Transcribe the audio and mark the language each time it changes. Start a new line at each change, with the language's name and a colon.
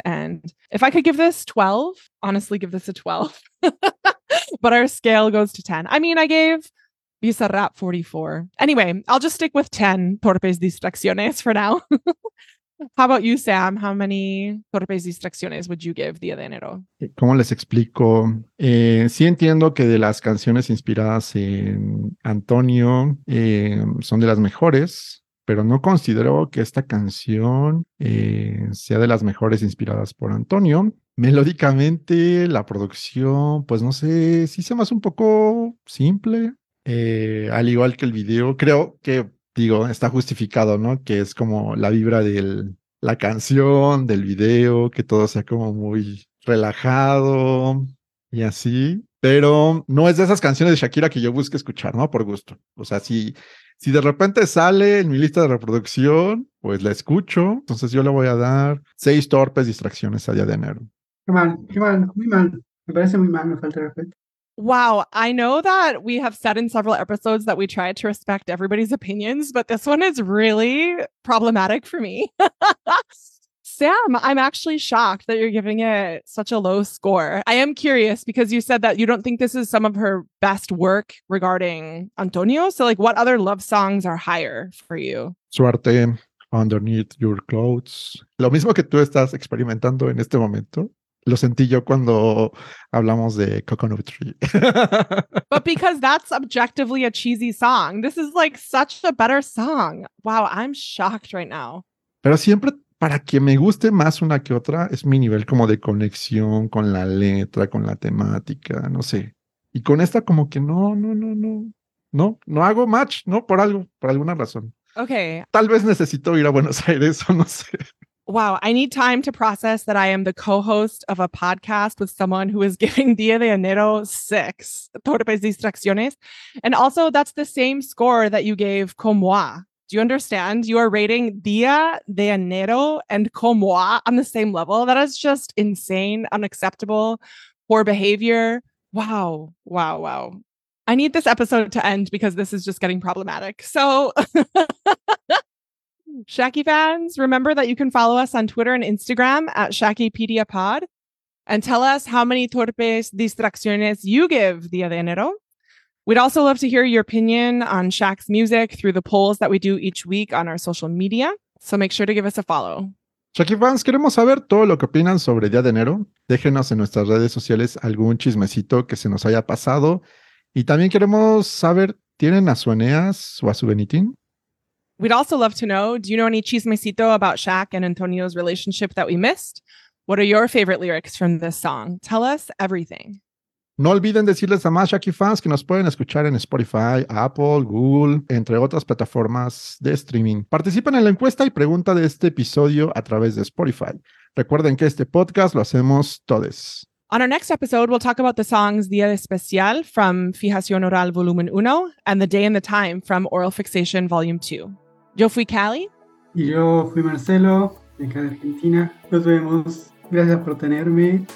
English: And if I could give this 12, honestly, give this a 12. But our scale goes to 10. I mean, I gave Bizarrap 44. Anyway, I'll just stick with 10 torpes distracciones for now. How about you, Sam? How many torpes distracciones would you give Día de Enero?
Spanish: ¿Cómo les explico? Sí entiendo que de las canciones inspiradas en Antonio son de las mejores, pero no considero que esta canción sea de las mejores inspiradas por Antonio. Melódicamente, la producción, pues no sé, sí se me hace un poco simple. Al igual que el video, creo que, digo, está justificado, ¿no? Que es como la vibra de la canción, del video, que todo sea como muy relajado y así. Pero no es de esas canciones de Shakira que yo busque escuchar, ¿no? Por gusto. O sea, si de repente sale en mi lista de reproducción, pues la escucho. Entonces yo le voy a dar 6 torpes distracciones a Día de Enero. Qué mal, muy mal. Me parece muy mal, me falta respeto.
English: Wow, I know that we have said in several episodes that we try to respect everybody's opinions, but this one is really problematic for me. Sam, I'm actually shocked that you're giving it such a low score. I am curious because you said that you don't think this is some of her best work regarding Antonio. So like what other love songs are higher for you?
Spanish: Suerte, Underneath Your Clothes. Lo mismo que tú estás experimentando en este momento. Lo sentí yo cuando hablamos de Coconut Tree.
English: But because that's objectively a cheesy song. This is like such a better song. Wow, I'm shocked right now.
Spanish: Pero siempre para que me guste más una que otra es mi nivel como de conexión con la letra, con la temática, no sé. Y con esta como que no hago match, ¿no? Por alguna razón.
English: Okay.
Spanish: Tal vez necesito ir a Buenos Aires o no sé.
English: Wow, I need time to process that I am the co-host of a podcast with someone who is giving Día de Enero 6 torpes distracciones. And also, that's the same score that you gave Comoa. Do you understand? You are rating Día de Enero and Comoa on the same level. That is just insane, unacceptable, poor behavior. Wow, wow, wow. I need this episode to end because this is just getting problematic. So... Shaki fans, remember that you can follow us on Twitter and Instagram at Shakipedia Pod and tell us how many torpes distracciones you give Día de Enero. We'd also love to hear your opinion on Shaq's music through the polls that we do each week on our social media. So make sure to give us a follow.
Spanish: Shaki fans, queremos saber todo lo que opinan sobre Día de Enero. Déjenos en nuestras redes sociales algún chismecito que se nos haya pasado. Y también queremos saber, ¿tienen a su Eneas o a su Benitín?
English: We'd also love to know, do you know any chismecito about Shaq and Antonio's relationship that we missed? What are your favorite lyrics from this song? Tell us everything.
Spanish: No olviden decirles a más Shaki fans que nos pueden escuchar en Spotify, Apple, Google, entre otras plataformas de streaming. Participen en la encuesta y pregunta de este episodio a través de Spotify. Recuerden que este podcast lo hacemos todos.
English: On our next episode, we'll talk about the songs Día Especial from Fijación Oral Volumen 1 and The Day and the Time from Oral Fixation Volume 2.
Spanish: Yo fui Cali. Y yo fui Marcelo, de acá de Argentina. Nos vemos. Gracias por tenerme.